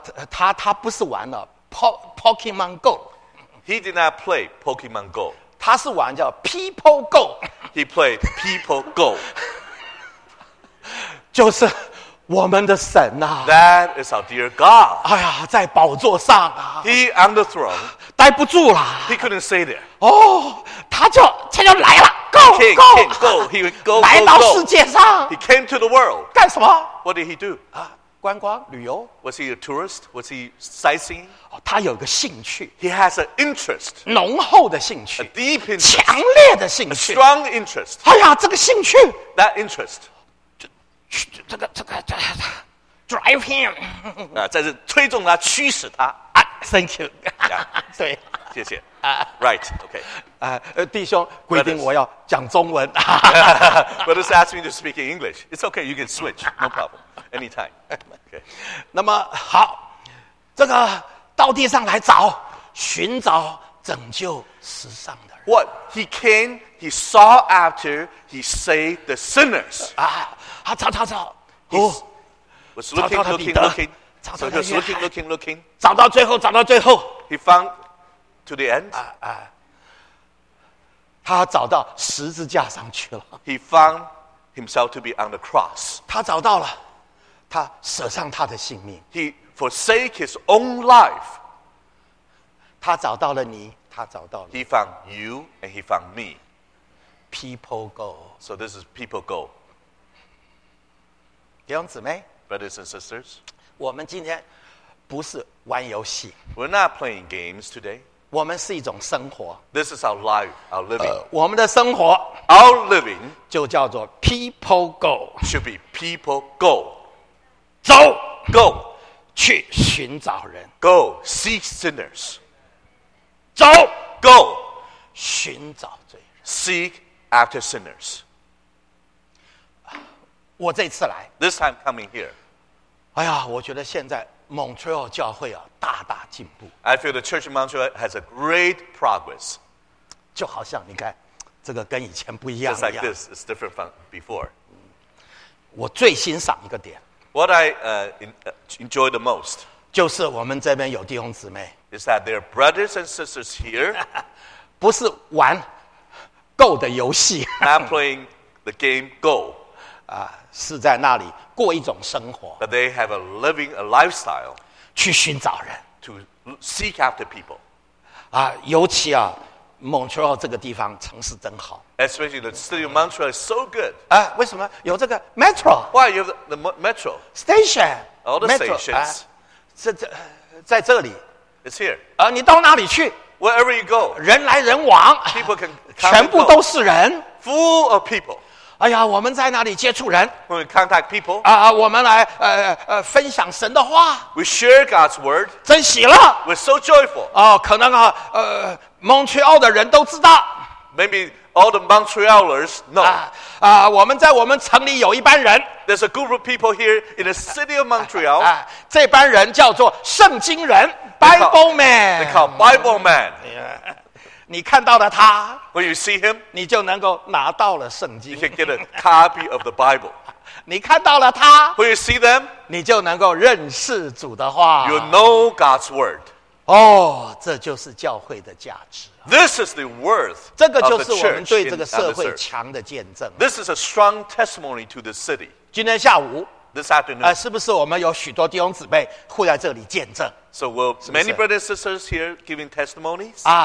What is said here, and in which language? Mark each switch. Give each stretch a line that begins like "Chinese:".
Chinese: 他不是玩了 Pokemon Go。
English: He did not play Pokemon Go。
Chinese: 他是玩叫 People Go。
English: He played People Go。
Chinese: 就是。我们的神啊
English: That is our dear God.
Chinese: 哎呀，在宝座上啊
English: ，He on the throne.
Chinese: 待不住了
English: ，He couldn't stay there.
Chinese: 哦，他就来了 ，Go
English: king, go king, go, he would go, go go
Chinese: 来到世界上
English: ，He came to the world.
Chinese: 干什么
English: ？What did he do?
Chinese: 观光旅游
English: ？Was he a tourist? Was he sightseeing?
Chinese: 哦，他有个兴趣
English: ，He has an interest.
Chinese: 浓厚的兴趣
English: ，A deep interest.
Chinese: 强烈的兴趣
English: ，A strong interest.
Chinese: 哎呀，这个兴趣
English: ，That interest.
Chinese: 这个
English: drive him
Chinese: 啊，在这推动他，驱使他
English: 啊。Thank you， 对，
Chinese: 谢谢啊。Right， OK，弟兄规定我要讲中文。
English: Brothers asked me to speak in English. It's okay, you can switch, no problem, anytime. Okay，
Chinese: 那么好，这个到地上来找，寻找拯救世上的人。
English: What he came, he saw after he saved the sinners.
Chinese: 好，找找找。
English: Was looking, looking, looking. So he was looking, looking, looking.
Chinese: 找到最后，找到最后。
English: He found to the end.
Chinese: 他找到十字架上去了。
English: He found himself to be on the cross.
Chinese: 他找到了，他舍上他的性命。
English: He forsake his own life.
Chinese: 他找到了你，他找到了。
English: He found you and he found me. People go. So this is people go.
Chinese: 弟兄姊妹
English: ，Brothers and sisters，
Chinese: 我们今天不是玩游戏。
English: We're not playing games today。
Chinese: 我们是一种生活。
English: This is our life, our living。
Chinese: 我们的生活
English: ，our living，
Chinese: 就叫做 people go。
English: Should be people go，
Chinese: 走
English: ，go，
Chinese: 去寻找人
English: ，go seek sinners，
Chinese: 走
English: ，go，
Chinese: 寻找罪人
English: ，seek after sinners。
Chinese: 我这次来
English: ，this time coming here。
Chinese: 哎呀，我觉得现在 Montreal 教会啊大大进步。
English: I feel the church in Montreal has a great progress。
Chinese: 就好像你看，这个跟以前不一样。
English: Just like this, it's different from before.
Chinese: 我最欣赏一个点。
English: What I enjoy the most.
Chinese: 就是我们这边有弟兄姊妹。
English: Is that there are brothers and sisters here?
Chinese: 不是玩 Go 的游戏。
English: Not playing the game Go.
Chinese: 是在那里过一种生活。
English: But they have a living a lifestyle.
Chinese: 去寻找人。
English: To seek after people.
Chinese: 尤其啊。 Montreal 这个地方城市真好。
English: Especially the city of Montreal is so good.
Chinese: 为什么有这个 metro?
English: Why you have the metro? Station. All the metro, stations.
Chinese: 在这里。
English: It's here.
Chinese: 你到哪里去
English: ？Wherever you go.
Chinese: 人来人往。
English: People can.
Chinese: 全部都是人。
English: Full of people.
Chinese: 我们在哪里接触人
English: ？When we contact people.
Chinese: 我们来分享神的话。
English: We share God's word.
Chinese: 真喜乐。
English: We're so joyful.
Chinese: 可能啊，蒙特利尔的人都知道。
English: Maybe all the Montrealers know.
Chinese: 我们在我们城里有一班人。
English: There's a group of people here in the city of Montreal.
Chinese: 这班人叫做圣经人 ，Bible man.
English: They call Bible man.
Chinese: 你看到了他
English: ，When you see him,
Chinese: 你就能够拿到了圣经。
English: You can get a copy of the Bible.
Chinese: 你看到了他
English: ，When you see them,
Chinese: 你就能够认识主的话。
English: You know God's word.
Chinese: 这就是教会的价值。
English: This is the worth.
Chinese: 这个就是我们对这个社会强的见证。
English: This is a strong testimony to the city.
Chinese: 今天下午
English: ，This afternoon，
Chinese: 是不是我们有许多弟兄姊妹会在这里见证
English: ？So will many brothers and sisters here giving testimonies?